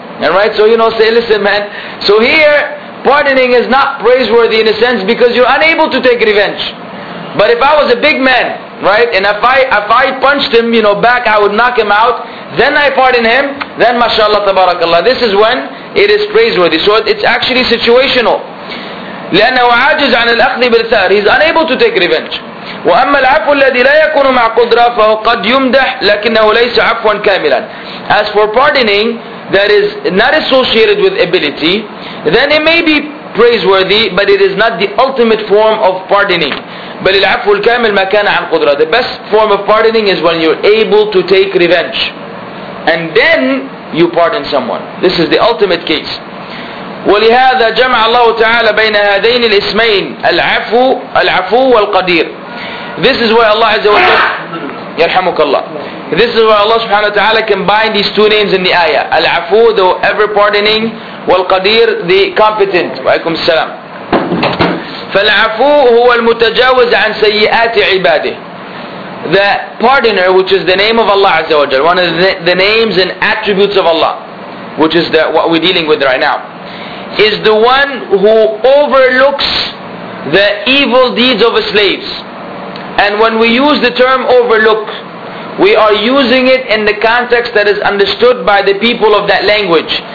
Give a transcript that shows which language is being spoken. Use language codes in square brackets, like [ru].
[en] And right, so say, listen man, so here, pardoning is not praiseworthy in a sense because you're unable to take revenge. But if I was a big man, right, and if I punched him, back, I would knock him out, then I pardon him, then mashallah tabarakallah. This is when it is praiseworthy. So it's actually situational. [ar] لأنه عاجز عن الأخذ بالثأر. [en] He's unable to take revenge. [ar] وأما العفو الذي لا يكون مع قدرة فهو قد يمدح لكنه ليس عفوا كاملا. [en] As for pardoning that is not associated with ability, then it may be praiseworthy, but it is not the ultimate form of pardoning. [ar] بل العفو الكامل ما كان عن قدرة. [en] The best form of pardoning is when you're able to take revenge, and then you pardon someone. This is the ultimate case. [ar] ولهذا جمع الله تعالى بين هذين الاسمين العفو والقدير. [en] This is why Allah [ar] عز وجل يرحمك الله. [en] This is why Allah [ar] سبحانه وتعالى [en] combined these two names in the ayah. العفو, the ever pardoning, والقدير, the competent. [ar] وعليكم السلام. فالعفو هو المتجاوز عن سيئات عباده. [en] The pardoner, which is the name of Allah عز وجل, one of the names and attributes of Allah, which is what we're dealing with right now, is the one who overlooks the evil deeds of his slaves. And when we use the term overlook, we are using it in the context that is understood by the people of that language.